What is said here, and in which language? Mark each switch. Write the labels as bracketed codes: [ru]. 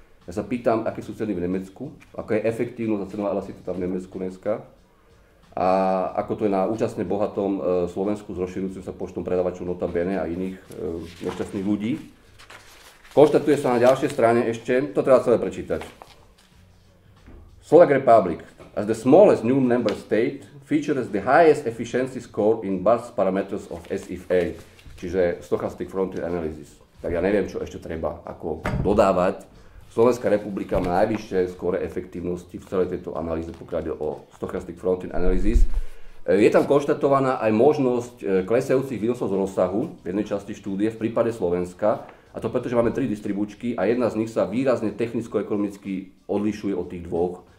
[sk] Ja sa pýtam, aké sú ceny v Nemecku, ako je efektívnosť a cenová elasticita v Nemecku dneska a ako to je na účastne bohatom Slovensku s rozširujúcim sa počtom predavačov nota bene a iných nešťastných ľudí. Konštatuje sa na ďalšej strane ešte, to treba celé prečítať. [en] Slovak Republic, as the smallest new member state, features the highest efficiency score in both parameters of SFA, čiže Stochastic Frontier Analysis. [sk] Tak ja neviem, čo ešte treba ako dodávať. Slovenská republika má najvyššie skóre efektívnosti v celej tejto analýze, pokiaľ ide o Stochastic Frontier Analysis. Je tam konštatovaná aj možnosť klesajúcich výnosov z rozsahu v jednej časti štúdie v prípade Slovenska, a to preto, že máme tri distribučky a jedna z nich sa výrazne technicko-ekonomicky odlišuje od tých dvoch.